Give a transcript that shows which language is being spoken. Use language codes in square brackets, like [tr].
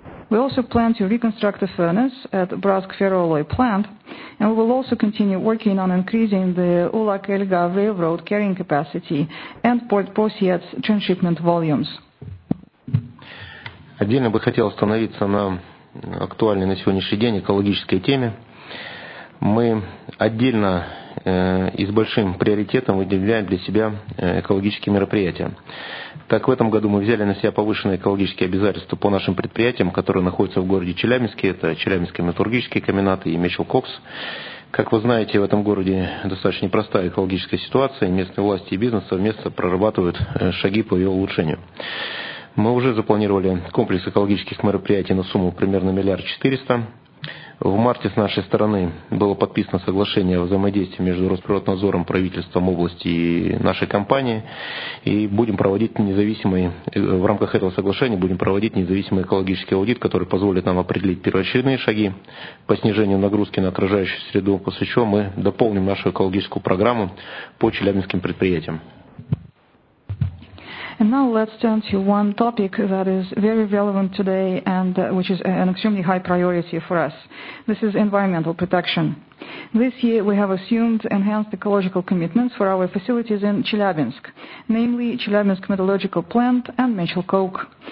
[en] We also plan to reconstruct a furnace at Brask ferroalloy plant, and we will also continue working on increasing the Ula-Kelga railroad carrying capacity and Port Posyet's transshipment volumes. [ru] Отдельно бы хотел остановиться на актуальной на сегодняшний день экологической теме. Мы отдельно и с большим приоритетом выделяем для себя экологические мероприятия. Так, в этом году мы взяли на себя повышенные экологические обязательства по нашим предприятиям, которые находятся в городе Челябинске. Это Челябинский металлургический комбинат и Мечелкокс. Как вы знаете, в этом городе достаточно непростая экологическая ситуация, и местные власти и бизнес совместно прорабатывают шаги по ее улучшению. Мы уже запланировали комплекс экологических мероприятий на сумму примерно 1 400 000. В марте с нашей стороны было подписано соглашение о взаимодействии между Росприроднадзором, правительством области и нашей компанией. И будем проводить независимый, в рамках этого соглашения будем проводить независимый экологический аудит, который позволит нам определить первоочередные шаги по снижению нагрузки на окружающую среду, после чего мы дополним нашу экологическую программу по челябинским предприятиям. [en] And now let's turn to one topic that is very relevant today and which is an extremely high priority for us. This is environmental protection. This year we have assumed enhanced ecological commitments for our facilities in Chelyabinsk, namely Chelyabinsk Metallurgical Plant and Mechelkovsk.